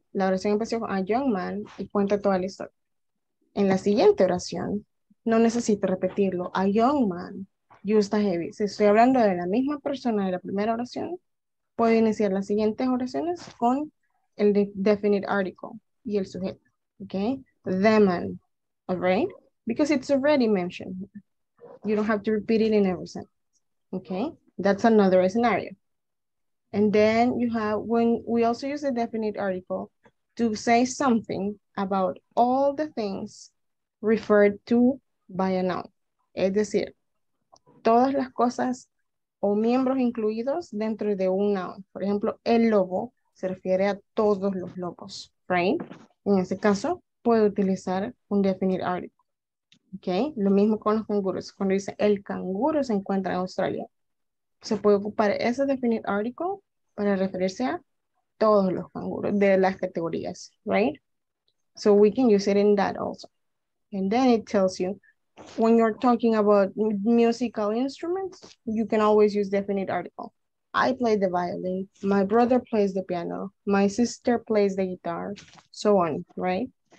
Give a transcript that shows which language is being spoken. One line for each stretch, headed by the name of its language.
Spanish: La oración empezó con
English: a young man
Spanish: y cuenta toda la historia. En la siguiente oración, no necesito repetirlo.
English: A young man used a heavy.
Spanish: Si estoy hablando de la misma persona de la primera oración, puedo iniciar las siguientes oraciones con el definite article y el sujeto.
English: Okay, the man, all right? Because it's already mentioned. You don't have to repeat it in every sentence. Okay, that's another scenario. And then you have, when we also use the definite article to say something about all the things referred to by a noun.
Spanish: Es decir, todas las cosas o miembros incluidos dentro de un noun.
English: For example,
Spanish: el lobo se refiere a todos los lobos, right? En ese caso, puedo utilizar un definite article, okay? Lo mismo con los canguros. Cuando dice el canguro se encuentra en Australia, se puede ocupar ese definite article para referirse a todos los canguros de las categorías, right?
English: So we can use it in that also. And then it tells you, when you're talking about musical instruments, you can always use definite article. I play the violin, my brother plays the piano, my sister plays the guitar, so on, right?